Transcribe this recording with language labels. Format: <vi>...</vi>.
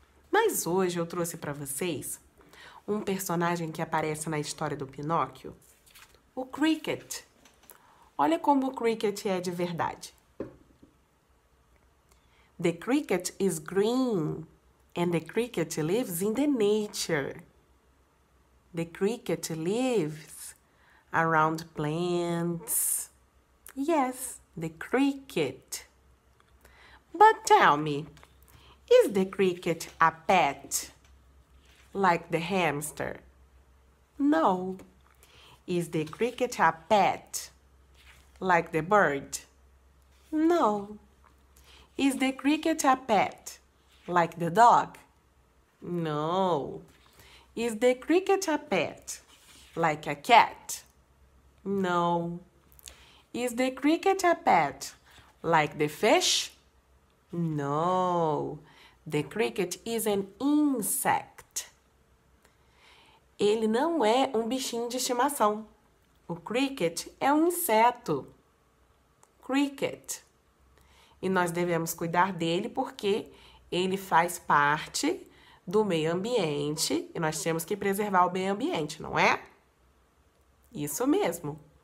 <pt>Mas hoje eu trouxe para vocês um personagem que aparece na história do Pinóquio, o Cricket. Olha como o Cricket é de verdade.</pt> <en>The Cricket is green, and the Cricket lives in the nature. The Cricket lives around plants. Yes. The cricket. But tell me, is the cricket a pet like the hamster? No. Is the cricket a pet like the bird? No. Is the cricket a pet like the dog? No. Is the cricket a pet like a cat? No. Is the cricket a pet like the fish? No, the cricket is an insect.</en> <pt>Ele não é um bichinho de estimação. O cricket é um inseto. Cricket. E nós devemos cuidar dele porque ele faz parte do meio ambiente e nós temos que preservar o meio ambiente, não é? Isso mesmo.</pt>